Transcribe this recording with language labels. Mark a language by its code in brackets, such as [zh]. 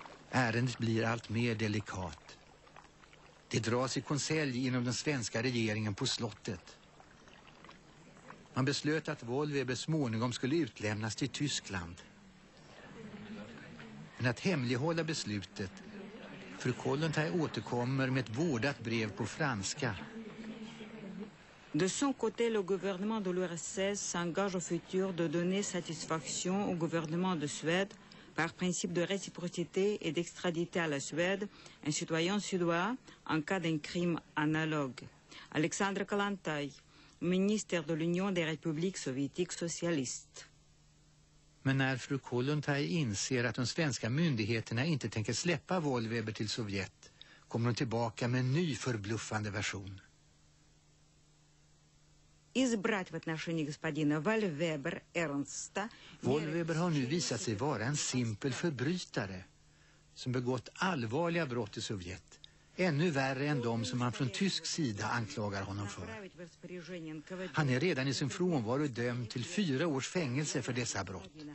[sv] Ärendet blir allt mer delikat. Det dras i konselj inom den svenska regeringen på slottet. Man beslöt att Wollweber småningom skulle utlämnas till Tyskland. Men att hemlighålla beslutet, fru Kollontaj återkommer med ett vårdat brev på franska. [fr] De son côté, le gouvernement de l'URSS s'engage au futur de donner satisfaction au gouvernement de Suède par principe de réciprocité et d'extradité à la Suède, un citoyen suédois en cas d'un crime analogue. Alexandre Kollontaj, minister de l'Union des Républiques Soviétiques Socialistes. [sv] Men när fru Kollontaj inser att de svenska myndigheterna inte tänker släppa Wollweber till Sovjet, kommer hon tillbaka med en ny förbluffande version. [ru] Избрать в отношении господина Вольвебер Эрнста. [sv] Вольвебер har nu visat sig vara en simpel förbrytare som begått allvarliga brott i Sovjet, ännu värre än de som man från tysk sida anklagar honom för. Han är redan i sin frånvaro dömd till 4 års fängelse för dessa brott.